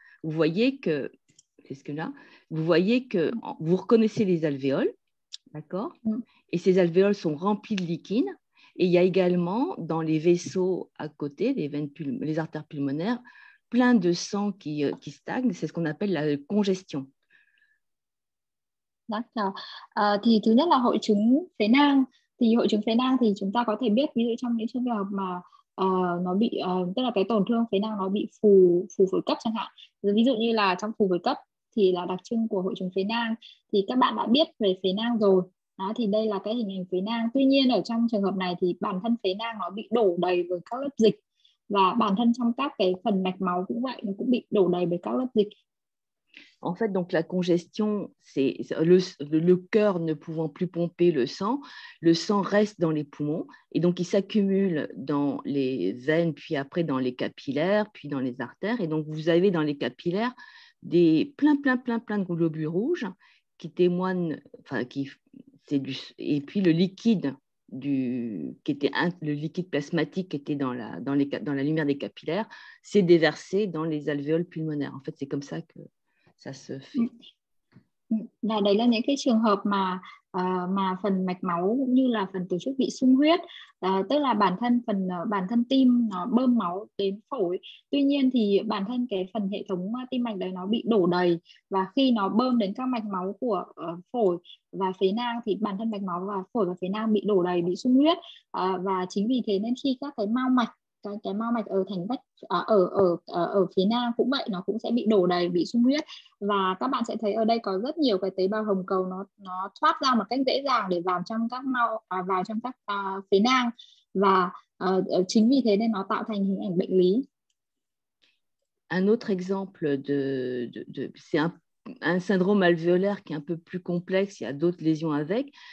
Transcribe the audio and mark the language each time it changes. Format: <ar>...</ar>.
<fr>Vous voyez que, est-ce que là, vous voyez que vous reconnaissez les alvéoles, d'accord? Et ces alvéoles sont remplies de liquide. Et il y a également dans les vaisseaux à côté, les veines, les artères pulmonaires, plein de sang qui stagne. C'est ce qu'on appelle la congestion. D'accord.</fr> <vi>Thì thứ nhất là hội chứng phế nang. Thì hội chứng phế nang thì chúng ta có thể biết ví dụ trong những trường hợp mà nó bị tức là cái tổn thương phế nang nó bị phù phổi cấp chẳng hạn. Ví dụ như là trong phù phổi cấp thì là đặc trưng của hội chứng phế nang. Thì các bạn đã biết về phế nang rồi. Đó, thì đây là cái hình ảnh phế nang. Tuy nhiên ở trong trường hợp này thì bản thân phế nang nó bị đổ đầy với các lớp dịch và bản thân trong các cái phần mạch máu cũng vậy, nó cũng bị đổ đầy với các lớp dịch.</vi> <fr>En fait, donc la congestion, c'est le cœur ne pouvant plus pomper le sang reste dans les poumons et donc il s'accumule dans les veines, puis après dans les capillaires, puis dans les artères. Et donc vous avez dans les capillaires plein de globules rouges qui témoignent, enfin qui c'est du et puis le liquide du qui était le liquide plasmatique qui était dans la lumière des capillaires s'est déversé dans les alvéoles pulmonaires. En fait, c'est comme ça que ça se fait.</fr> <vi>Và đấy là những cái trường hợp mà phần mạch máu cũng như là phần tổ chức bị sung huyết, tức là bản thân tim nó bơm máu đến phổi. Tuy nhiên thì bản thân cái phần hệ thống tim mạch đấy nó bị đổ đầy và khi nó bơm đến các mạch máu của phổi và phế nang thì bản thân mạch máu và phổi và phế nang bị đổ đầy, bị sung huyết. Và chính vì thế nên khi các cái mao mạch cái mao mạch ở thành vách ở ở ở phía nam cũng vậy, nó cũng sẽ bị đổ đầy, bị sung huyết và các bạn sẽ thấy ở đây có rất nhiều cái tế bào hồng cầu nó thoát ra một cách dễ dàng để vào trong các phía nam và chính vì thế nên nó tạo thành hình ảnh bệnh lý.</vi> <fr>Un autre exemple de c'est un syndrome alvéolaire qui est un peu plus complexe, il y a d'autres lésions avec.</fr>